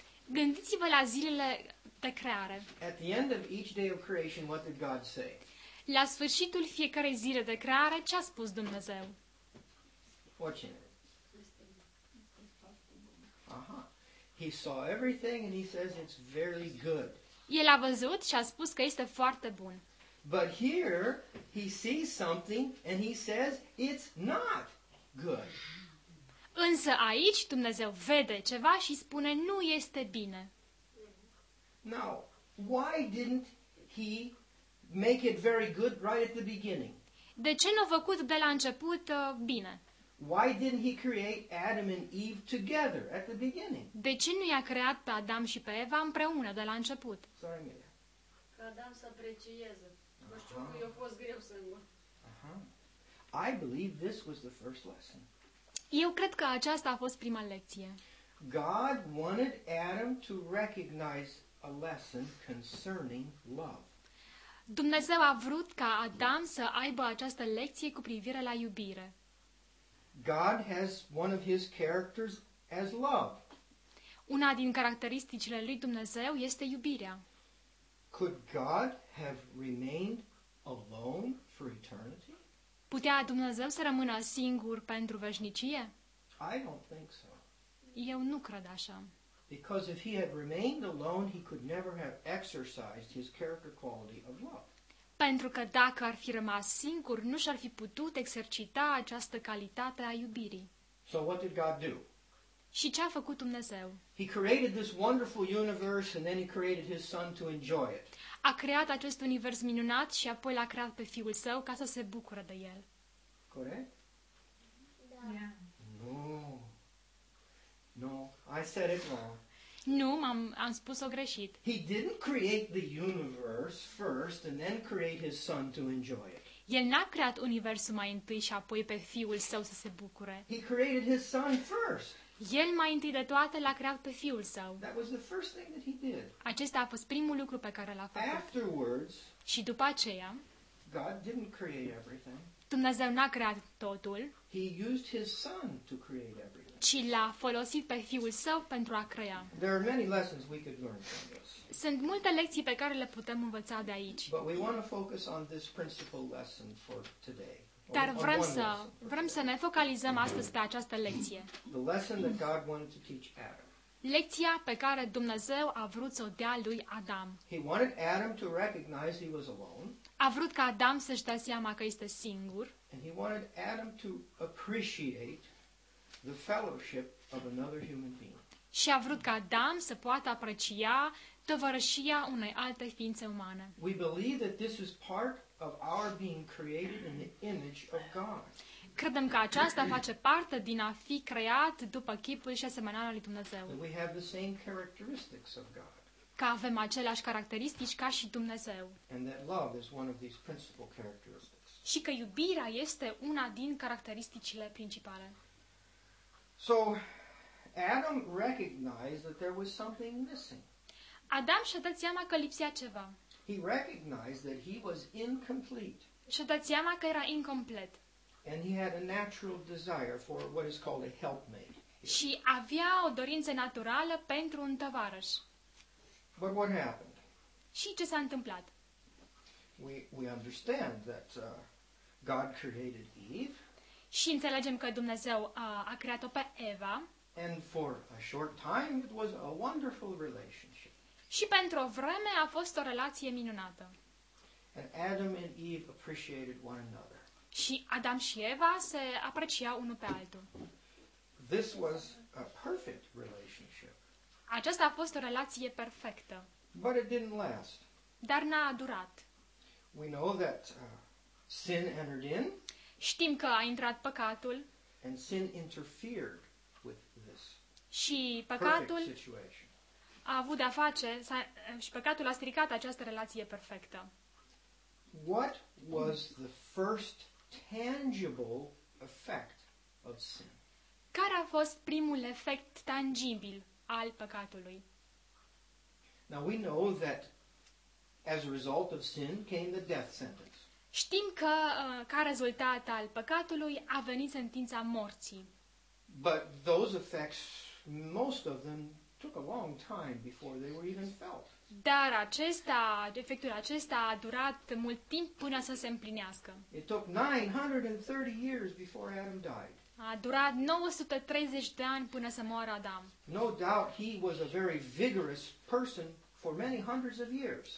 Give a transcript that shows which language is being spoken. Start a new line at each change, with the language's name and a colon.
Romanian: Gândiți-vă la zilele de creare.
English: At the end of each day of creation, what did God say?
Romanian: La sfârșitul fiecărei zile de creare, ce a spus Dumnezeu?
English: Fortunate. Aha. He saw everything and he says it's very good.
Romanian: El a văzut și a spus că este foarte bun.
English: But here he sees something and he says it's not good.
Romanian: Însă aici Dumnezeu vede ceva și spune nu este bine.
English: Now, why didn't he make it very good right at the beginning?
Romanian: De ce n-a făcut de la început bine?
English: Why didn't he create Adam and Eve together at the beginning?
Romanian: De ce nu i-a creat pe Adam și pe Eva împreună de la început?
English: Sorry, Emilia.
Romanian: Ca Adam să aprecieze. Nu știu, că i-a fost greu singur.
English: I believe this was the first lesson.
Romanian: Eu cred că aceasta a fost prima lecție.
English: God wanted Adam to recognize a lesson concerning love.
Romanian: Dumnezeu a vrut ca Adam să aibă această lecție cu privire la iubire.
English: God has one of his characters as love.
Romanian: Una din caracteristicile lui Dumnezeu este iubirea.
English: Could God have remained alone for eternity?
Romanian: Putea Dumnezeu să rămână singur pentru veșnicie?
English: I don't think so.
Romanian: Eu nu cred așa.
English: Because if he had remained alone, he could never have exercised his character quality of love.
Romanian: Pentru că dacă ar fi rămas singur, nu și-ar fi putut exercita această calitate a iubirii.
English: So what did God do?
Romanian: Și ce a făcut Dumnezeu?
English: He created this wonderful universe and then he created his son to enjoy it.
Romanian: A creat acest univers minunat și apoi l-a creat pe fiul său ca să se bucure de el. Corect? Da. Nu.
English: No. I said it wrong.
Romanian: Nu, am spus-o greșit.
English: He didn't create the universe first and then create his son to enjoy it.
Romanian: El n-a creat universul mai întâi și apoi pe fiul său să se bucure.
English: He created his son first.
Romanian: El mai întâi de toate l-a creat pe fiul său.
English: That was the first thing that he did.
Romanian: Acesta a fost primul lucru pe care l-a făcut.
English: Afterwards,
Romanian: și după aceea,
English: God didn't create everything.
Romanian: Dumnezeu n-a creat totul.
English: He used his son to create everything.
Romanian: Ci l-a folosit pe fiul său pentru a crea.
English: There are many lessons we could learn from this.
Romanian: Sunt multe lecții pe care le putem învăța de aici.
English: But we want to focus on this principal lesson for today.
Romanian: Dar vrem să ne focalizăm astăzi pe această lecție.
English: The lesson that God wanted to teach Adam.
Romanian: Lecția pe care Dumnezeu a vrut să o dea lui Adam.
English: He wanted Adam to recognize he was alone.
Romanian: A vrut ca Adam să-și dea seama că este singur.
English: And he wanted Adam to appreciate the fellowship of another human being.
Romanian: Și a vrut ca Adam să poată aprecia tovărășia unei alte ființe umane.
English: We believe that this is part of our being created in the image of God.
Romanian: Credem că aceasta face parte din a fi creat după chipul și asemănarea lui Dumnezeu.
English: We have the same characteristics of God.
Romanian: Că avem aceleași caracteristici ca și Dumnezeu.
English: And that love is one of these principal characteristics.
Romanian: Și că iubirea este una din caracteristicile principale.
English: So Adam recognized that there was something missing.
Romanian: Adam și-a dat seama că lipsea ceva.
English: He recognized that he was incomplete.
Romanian: Și-a dat seama că era incomplet.
English: And he had a natural desire for what is called a helpmate.
Romanian: Și avea o dorință naturală pentru un tovarăș.
English: But what happened?
Romanian: Și ce s-a întâmplat?
English: We understand that God created Eve.
Romanian: Și înțelegem că Dumnezeu a creat-o pe Eva.
English: And for a short time it was a wonderful relationship.
Romanian: Și pentru o vreme a fost o relație minunată.
English: And Adam and Eve appreciated one another.
Romanian: Și Adam și Eva se apreciau unul pe altul.
English: This was a perfect relationship.
Romanian: Aceasta a fost o relație perfectă.
English: But it didn't last.
Romanian: Dar n-a durat.
English: We know that sin entered in.
Romanian: Știm că a intrat păcatul.
English: And sin interfered with this.
Romanian: Și păcatul a avut de-a face și păcatul a stricat această relație perfectă.
English: What was the first tangible effect of sin?
Romanian: Care a fost primul efect tangibil al păcatului?
English: Now we know that as a result of sin came the death sentence.
Romanian: Știm că ca rezultat al păcatului a venit sentința morții.
English: But those effects, most of them, took a long time before they were even felt.
Romanian: Dar efectul acesta a durat mult timp până să se împlinească.
English: It took 930 years before Adam died.
Romanian: A durat 930 de ani până să moară Adam.
English: No doubt he was a very vigorous person for many hundreds of years.